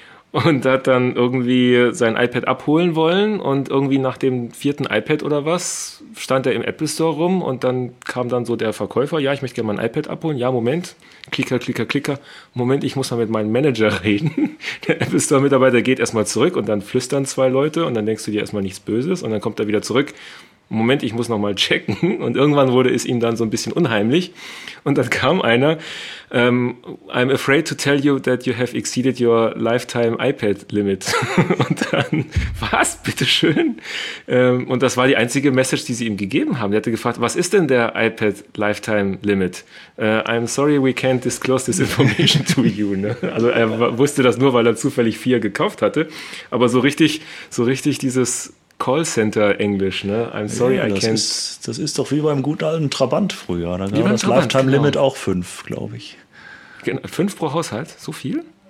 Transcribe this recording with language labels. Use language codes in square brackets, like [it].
[de] Und hat dann irgendwie sein iPad abholen wollen und irgendwie nach dem vierten iPad oder was stand er im Apple Store rum und dann kam dann so der Verkäufer, ja, ich möchte gerne mein iPad abholen. Ja, Moment, Klicker, Klicker, Klicker. Moment, ich muss mal mit meinem Manager reden. Der Apple Store-Mitarbeiter geht erstmal zurück und dann flüstern zwei Leute und dann denkst du dir erstmal nichts Böses und dann kommt er wieder zurück. Moment, ich muss noch mal checken. Und irgendwann wurde es ihm dann so ein bisschen unheimlich. Und dann kam einer, [en] I'm afraid to tell you that you have exceeded your lifetime iPad limit. [de] Und dann, was, bitteschön? Und das war die einzige Message, die sie ihm gegeben haben. Er hatte gefragt, was ist denn der iPad lifetime limit? [en] I'm sorry, we can't disclose this information to you. [de] Ne? Also er wusste das nur, weil er zufällig vier gekauft hatte. Aber so richtig dieses Callcenter-Englisch, ne? [en] I'm sorry, [de] ja, Das ist doch wie beim guten alten Trabant früher. Da war das Lifetime-Limit auch 5, glaube ich. Genau, 5 pro Haushalt? So viel?